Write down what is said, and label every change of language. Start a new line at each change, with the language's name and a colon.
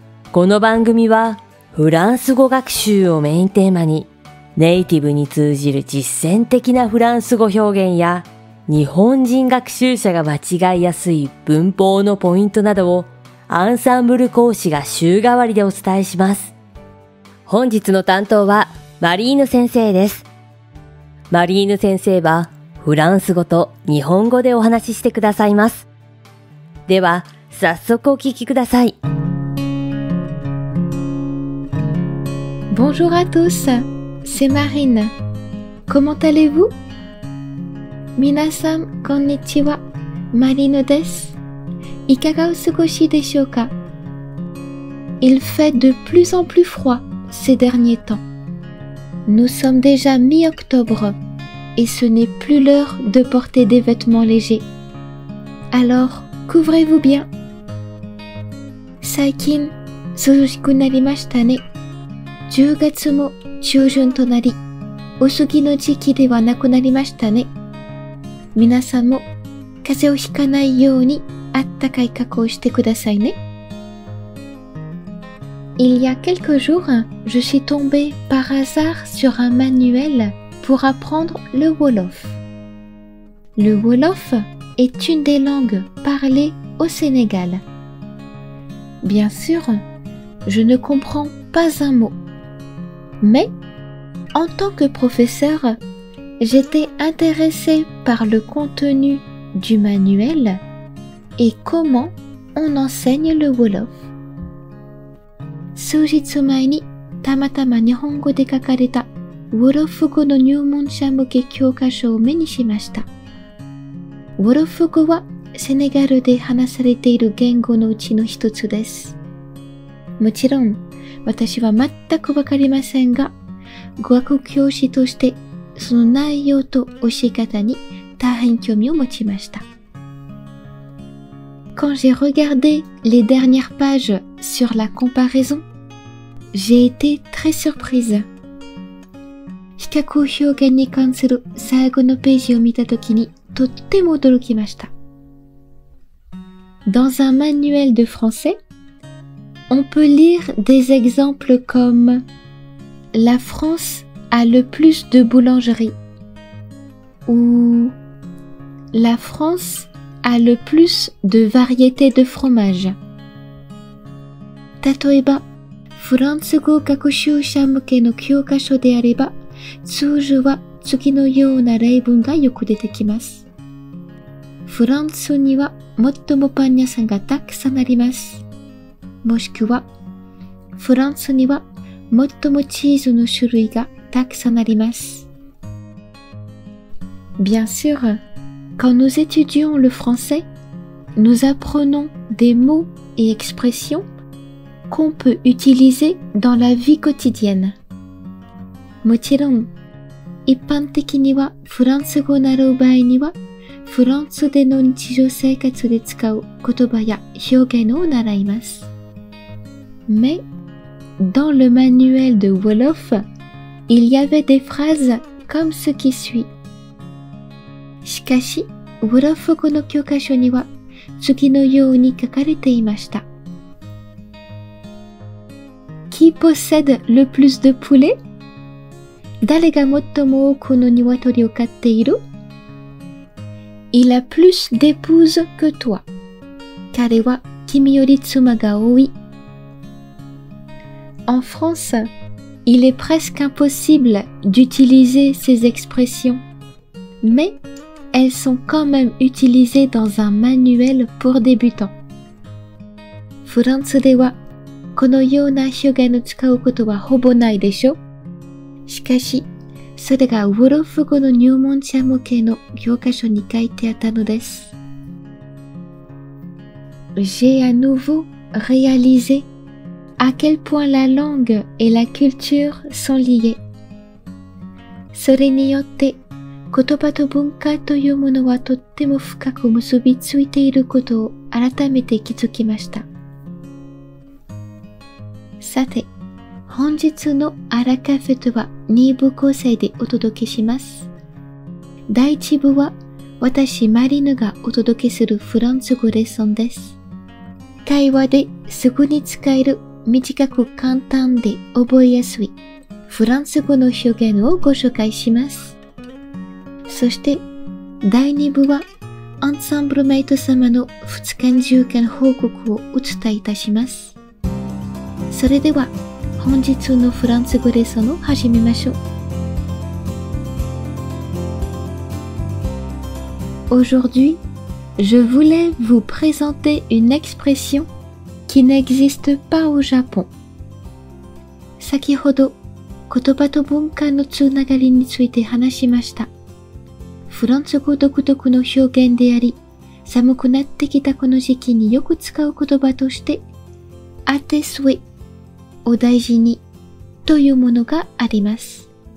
Japanese: この番組はフランス語学習をメインテーマに、ネイティブに通じる実践的なフランス語表現や、日本人学習者が間違いやすい文法のポイントなどをアンサンブル講師が週替わりでお伝えします。本日の担当はマリーヌ先生です。マリーヌ先生はフランス語と日本語でお話ししてくださいます。では早速お聞きください。
French: Bonjour à tous, c'est Marine. Comment allez-vous?
Japanese: 皆さん、こんにちは。マリーヌです。いかがお過ごしでしょうか?
French: Il fait de plus en plus froid ces derniers temps. Nous sommes déjà mi-octobre et ce n'est plus l'heure de porter des vêtements légers. Alors, couvrez-vous bien.
Japanese: 最近、涼しくなりましたね。10月も中旬となり、お過ぎの時期ではなくなりましたね。皆さんも風邪をひかないようにあったかい格好をしてくださいね。
French: Il y a quelques jours, je suis tombée par hasard sur un manuel pour apprendre le Wolof. Le Wolof est une des langues parlées au Sénégal. Bien sûr, je ne comprends pas un mot. Mais, en tant que professeur,J'étais intéressée par le contenu du manuel et comment on enseigne le Wolof.
Japanese: 数日前にたまたま日本語で書かれたウォロフ語の入門者向け教科書を目にしました。ウォロフ語はセネガルで話されている言語のうちの一つです。もちろん私は全くわかりませんが、語学教師としてその内容と教え方に大変興味を持ちました。
French: Quand j'ai regardé les dernières pages sur la comparaison, j'ai été très surprise.
Japanese: 比較表現に関する最後のページを見たときにとっても驚きました。
French: Dans un manuel de français, on peut lire des exemples comme La France a le plus de boulangeries ou la France a le plus de variétés de fromage.
Japanese: 例えば、フランス語学習者向けの教科書であれば、通常は次のような例文がよく出てきます。フランスには最もパン屋さんがたくさんあります。もしくは、フランスには最もチーズの種類がたくさんあります。
French: Bien sûr, quand nous étudions le français, nous apprenons des mots et expressions qu'on peut utiliser dans la vie quotidienne.
Japanese: もちろん、一般的にはフランス語を習う場合には、フランスでの日常生活で使う言葉や表現を習います。
French: Mais, dans le manuel de Wolof,Il y avait des phrases comme ce qui suit.
Japanese: しかし、ウォロフ語の教科書には次のように書かれていました。
French: Qui possède le plus de poulets?
Japanese: 誰が最も多くの鶏を飼っている?
French: Il a plus d'épouses que toi.
Japanese: 彼は君より妻が多い。
French: En France,Il est presque impossible d'utiliser ces expressions, mais elles sont quand même utilisées dans un manuel pour débutants.
Japanese: フランスでは、このような表現を使うことはほぼないでしょう。しかし、それがウォロフ語の入門者向けの教科書に書いてあったのです。
French: J'ai à nouveau réalisé. À quel point la langue et la culture sont liées.
Japanese: それによって、言葉と文化というものはとっても深く結びついていることを改めて気づきました。さて、本日のアラカフェとは2部構成でお届けします。第1部は私マリヌがお届けするフランス語レッスンです。会話ですぐに使える短く簡単で覚えやすいフランス語の表現をご紹介します。そして第2部はアンサンブルメイト様の2日間10件報告をお伝えいたします。それでは本日のフランス語レッスンを始めましょう。
French: Aujourd'hui, je voulais vous présenter une expression qui n'existe pas au Japon.
Japanese: 先ほど、言葉と文化のつながりについて話しました。フランス語独特の表現であり、寒くなってきたこの時期によく使う言葉として、あてすえ、お大事にというものがあります。